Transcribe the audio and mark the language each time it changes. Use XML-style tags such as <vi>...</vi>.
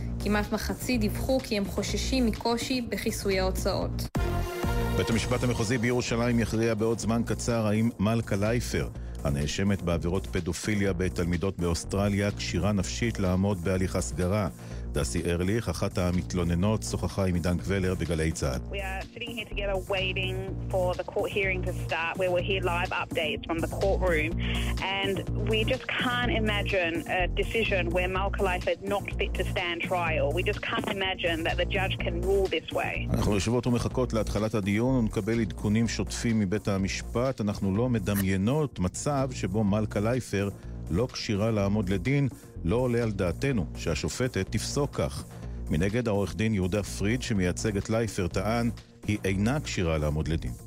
<he>כמעט מחצי דיווחו כי הם חוששים מקושי בכיסוי ההוצאות. בית המשפט המחוזי בירושלים יכריע בעוד זמן קצר האם מלכה לייפר, הנאשמת בעבירות פדופיליה בתלמידות באוסטרליה, כשירה נפשית לעמוד בהליך הסגרה. דסי ארליך, אחת המתלוננות, שוחחה עם עידן קבלר בגלי צהל.</he> <en>We are sitting here together waiting for the court hearing to start, where we'll hear live updates from the courtroom, and we just can't imagine a decision where מלכה לייפר is not fit to stand trial. We just can't imagine that the judge can rule this way.</en> <he>אנחנו יושבות ומחכות להתחלת הדיון ונקבל עדכונים שוטפים מבית המשפט. אנחנו לא מדמיינות מצב שבו מלכה לייפר לא קשירה לעמוד לדין. לא עולה על דעתנו שהשופטת תפסוק כך. מנגד העורך דין יהודה פריד שמייצג את לייפר טען, היא אינה קשירה לעמוד לדין.</he>